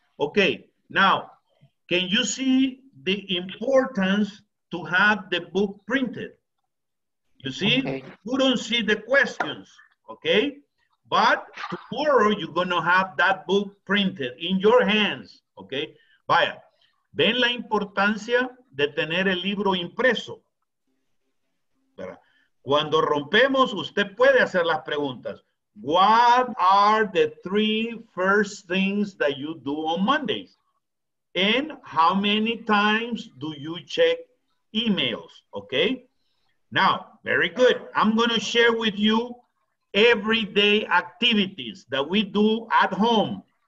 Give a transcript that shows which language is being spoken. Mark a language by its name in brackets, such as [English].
[English] Okay, now, can you see the importance to have the book printed? You see, okay. You don't see the questions, okay? But tomorrow you're gonna have that book printed in your hands, okay? [Spanish] Vaya, ven la importancia de tener el libro impreso. Cuando rompemos, usted puede hacer las preguntas. [English] What are the three first things that you do on Mondays? And how many times do you check emails, okay? Now, very good. I'm gonna share with you everyday activities that we do at home.